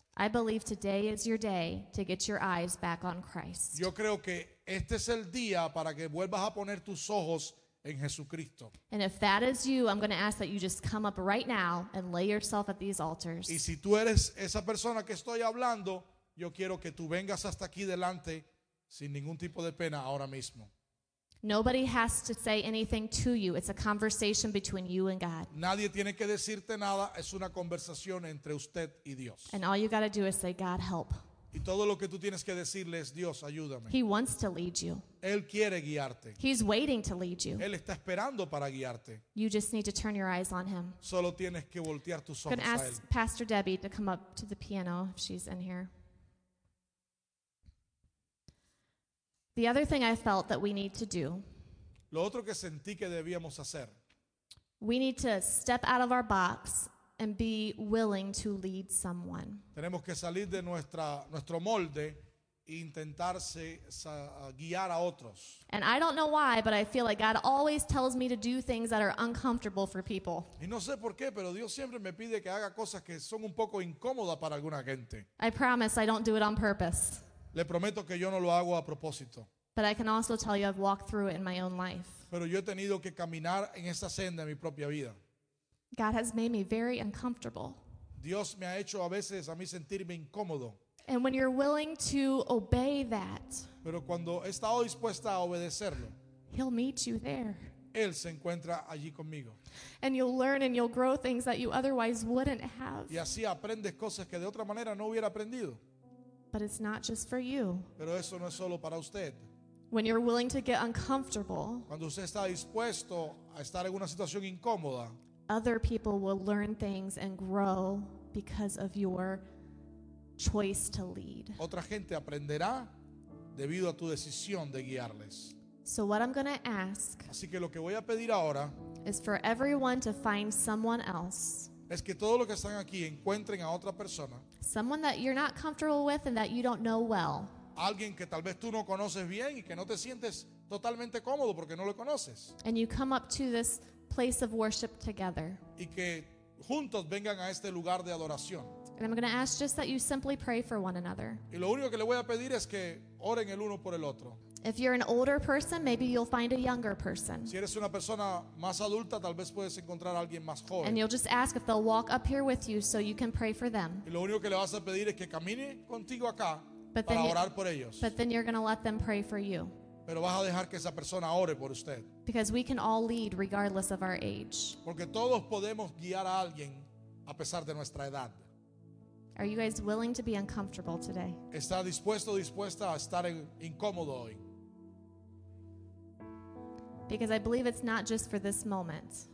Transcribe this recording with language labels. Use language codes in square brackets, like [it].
[en] I believe today is your day to get your eyes back on Christ. [es] Yo creo que este es el día para que vuelvas a poner tus ojos en Jesucristo. [en] And if that is you, I'm going to ask that you just come up right now and lay yourself at these altars. [es] Y si tú eres esa persona que estoy hablando, yo quiero que tú vengas hasta aquí delante sin ningún tipo de pena ahora mismo. [en] Nobody has to say anything to you. It's a conversation between you and God. [es] Nadie tiene que decirte nada. Es una conversación entre usted y Dios. [en] And all you got to do is say, God, help. [es] Y todo lo que tú tienes que decirle es, Dios, ayúdame. [en] He wants to lead you. [es] Él quiere guiarte. [en] He's waiting to lead you. [es] Él está esperando para guiarte. [en] You just need to turn your eyes on him. [es] Solo tienes que voltear tus ojos a él. [en] I'm going to ask Pastor Debbie to come up to the piano if she's in here. The other thing I felt that we need to do. [es] Lo otro que sentí que debíamos hacer. [en] We need to step out of our box and be willing to lead someone. [es] Tenemos que salir de nuestro molde e intentar guiar a otros. [en] And I don't know why, but I feel like God always tells me to do things that are uncomfortable for people. [es] Y no sé por qué, pero Dios siempre me pide que haga cosas que son un poco incómodas para alguna gente. [en] I promise I don't do it on purpose. [es] Le prometo que yo no lo hago a propósito. [en] But I can also tell you I've walked through it in my own life. [es] Pero yo he tenido que caminar en esa senda en mi propia vida. [en] God has made me very uncomfortable. [es] Dios me ha hecho a veces a mí sentirme incómodo. [en] And when you're willing to obey that, [es] pero cuando he estado dispuesta a obedecerlo, [en] he'll meet you there. [es] Él se encuentra allí conmigo. [en] And you'll learn and you'll grow things that you otherwise wouldn't have. [es] Y así aprendes cosas que de otra manera no hubiera aprendido. [en] But it's not just for you. [es] Pero eso no es solo para usted. [en] When you're willing to get uncomfortable, [es] cuando usted está dispuesto a estar en una situación incómoda, [en] other people will learn things and grow because of your choice to lead. [es] Otra gente aprenderá debido a tu decisión de guiarles. [en] So what I'm going to ask, [es] así que lo que voy a pedir ahora, [en] is for everyone to find someone else. [es] Es que todos los que están aquí encuentren a otra persona. [en] Someone that you're not comfortable with and that you don't know well. [es] Alguien que tal vez tú no conoces bien y que no te sientes totalmente cómodo porque no lo conoces. [en] And you come up to this place of worship together. [es] Y que juntos vengan a este lugar de adoración. [en] And I'm going to ask just that you simply pray for one another. [es] Y lo único que le voy a pedir es que oren el uno por el otro. [en] If you're an older person, maybe you'll find a younger person. [es] Si eres una persona más adulta, tal vez puedes encontrar a alguien más joven. [en] And you'll just ask if they'll walk up here with you so you can pray for them. [es] Y lo único que le vas a pedir es que camine contigo acá para orar por ellos. [en] But then you're going to let them pray for you. [es] Pero vas a dejar que esa persona ore por usted. [en] Because we can all lead regardless of our age. [es] Porque todos podemos guiar a alguien a pesar de nuestra edad. [en] Are you guys willing to be uncomfortable today? [es] ¿Está dispuesto o dispuesta a estar incómodo hoy? [en] Because I believe it's not just for this moment.